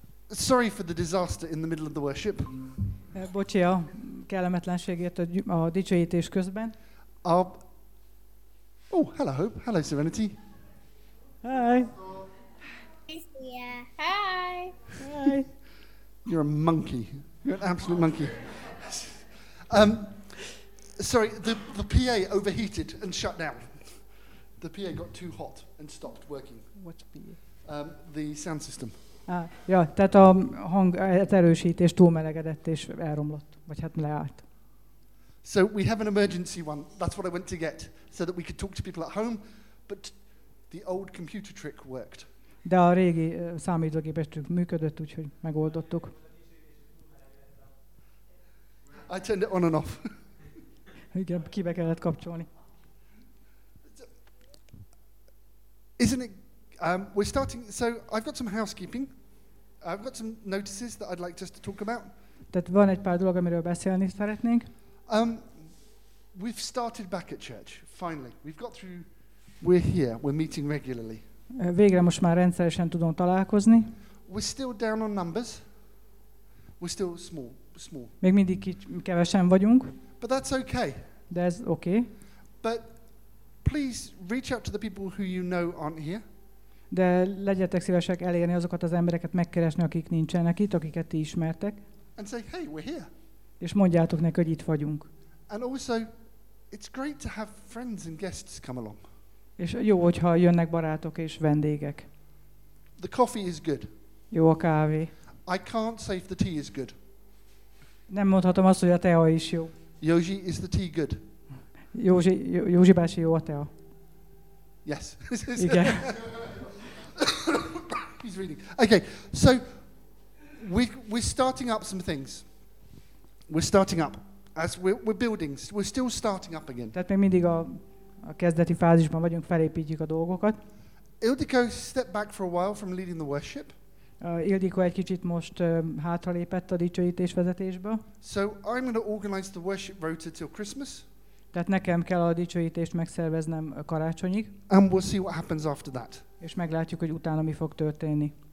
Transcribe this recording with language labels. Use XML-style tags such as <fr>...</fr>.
<en>Sorry for the disaster in the middle of the worship.</en> <hu>Bocsi a kellemetlenségért a dicsőítés közben.</hu> <en>Oh, hello Hope. Hello Serenity. Hi. Yeah. Hi. Hi. You're a monkey. You're an absolute monkey. Sorry, the PA overheated and shut down. The PA got too hot and stopped working. What PA? The sound system.</en> <hu>Ja, tehát a hang erősítés túlmelegedett és elromlott, vagy hát leállt.</hu> <en>So we have an emergency one. That's what I went to get, so that we could talk to people at home. But the old computer trick worked.</en> <hu>De a régi számítógépes trükk működött, úgyhogy megoldottuk.</hu> <en>I turned it on and off.</en> <hu>Igen, kibe kellett kapcsolni.</hu> <en>Isn't it? We're starting. So I've got some housekeeping. I've got some notices that I'd like just to talk about.</en> <hu>Tehát van egy pár dolog, amiről beszélni szeretnénk.</hu> <en>We've started back at church. Finally, we've got through. We're here. We're meeting regularly.</en> <hu>Végre most már rendszeresen tudunk találkozni.</hu> <en>We're still down on numbers. We're still small.</en> <hu>Még mindig kevesen vagyunk.</hu> <en>But that's okay.</en> <hu>De ez okay.</hu> <en>But please reach out to the people who you know aren't here.</en> <hu>De legyetek szívesek elérni azokat az embereket, megkeresni, akik nincsenek itt, akiket ti ismertek.</hu> <en>And say, hey, we're here.</en> <hu>És mondjátok neki, hogy itt vagyunk.</hu> <en>And also, it's great to have friends and guests come along.</en> <hu>És jó, hogyha jönnek barátok és vendégek.</hu> <en>The coffee is good.</en> <hu>Jó a kávé.</hu> <en>I can't say if the tea is good.</en> <hu>Nem mondhatom azt, hogy a tea is jó.</hu> <en>Józsi, is the tea good?</en> <hu>Józsi bácsi, jó a tea.</hu> <en>Yes.</en> <hu>Igen.</hu> <en>He's reading. Okay, so we're starting up some things. We're starting up as we're building. We're still starting up again.</en> <hu>Tehát még mindig a kezdeti fázisban vagyunk, felépítjük a dolgokat.</hu> <en>Ildikó stepped back for a while from leading the worship.</en> <hu>Ildikó egy kicsit most hátralépett a dicsőítés vezetésbe.</hu> <en>So I'm going to organize the worship rota till Christmas.</en> <hu>Tehát nekem kell a dicsőítést megszerveznem karácsonyig.</hu> <en>And we'll see what happens after that.</en> <hu>És meglátjuk, hogy utána mi fog történni.</hu>